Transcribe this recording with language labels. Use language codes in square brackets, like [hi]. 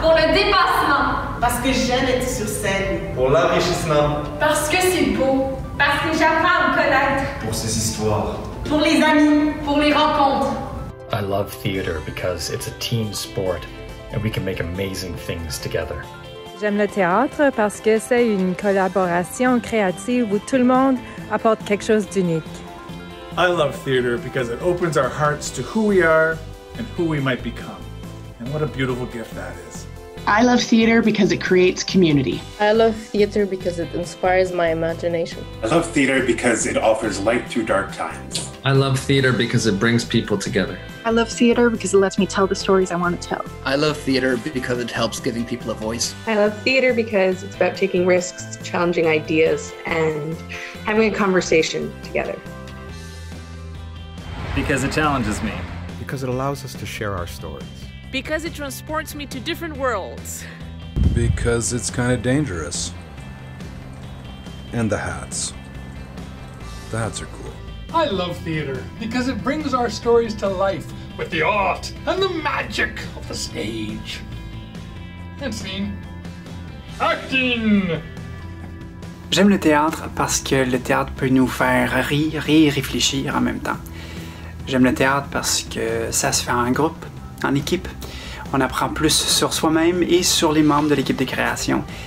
[fr] pour le dépassement. Parce que j'aime être sur scène. Pour l'enrichissement. Parce que c'est beau. Parce que j'apprends à me connaître. Pour ses histoires. Pour les amis. Pour les rencontres. [en] I love theater because it's a team sport. And we can make amazing things together. [fr] J'aime le théâtre parce que c'est une collaboration créative où tout le monde apporte quelque chose d'unique. [en] I love theater because it opens our hearts to who we are and who we might become. And what a beautiful gift that is. I love theater because it creates community. I love theater because it inspires my imagination. I love theater because it offers light through dark times. I love theater because it brings people together. I love theater because it lets me tell the stories I want to tell. I love theater because it helps giving people a voice. I love theater because it's about taking risks, challenging ideas, and having a conversation together. Because it challenges me. Because it allows us to share our stories. Because it transports me to different worlds. Because it's kind of dangerous. And the hats. The hats are cool. I love theater because it brings our stories to life with the art and the magic of the stage. And scene. Acting! [fr] J'aime le théâtre parce que le théâtre peut nous faire rire et réfléchir en même temps. J'aime le théâtre parce que ça se fait en groupe, en équipe. On apprend plus sur soi-même et sur les membres de l'équipe de création.